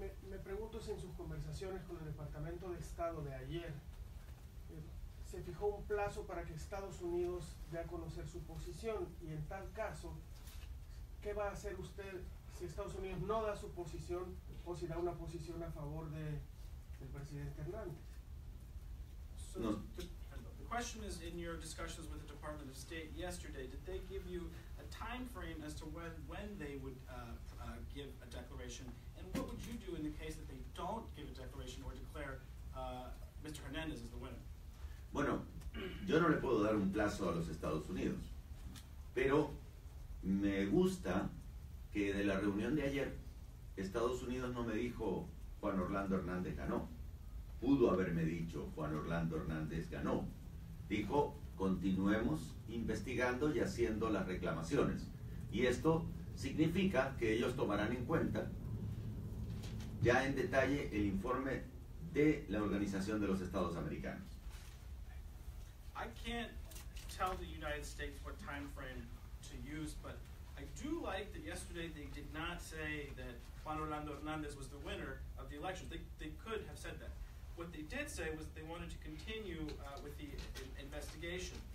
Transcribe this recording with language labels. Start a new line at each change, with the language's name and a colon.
Spanish: Me pregunto si en sus conversaciones con el Departamento de Estado de ayer se fijó un plazo para que Estados Unidos dé a conocer su posición, y en tal caso, ¿qué va a hacer usted si Estados Unidos no da su posición o si da una posición a favor del presidente Hernández?
English: So, no. The question is, in your discussions with the Department of State yesterday, did they give you a time frame as to when they would give a declaration? And what would you do in the case that they don't give a declaration or declare Mr. Hernández as the winner?
Spanish: Bueno, yo no le puedo dar un plazo a los Estados Unidos, pero me gusta que de la reunión de ayer, Estados Unidos no me dijo Juan Orlando Hernández ganó. pudo haberme dicho Juan Orlando Hernández Ganó. Dijo, continuemos investigando y haciendo las reclamaciones. Y esto significa que ellos tomarán en cuenta ya en detalle el informe de la Organización de los Estados Americanos.
English: I can't tell the United States what time frame to use, but I do like that yesterday they did not say that Juan Orlando Hernández was the winner of the election. They could have said that. What they did say was that they wanted to continue with the investigation.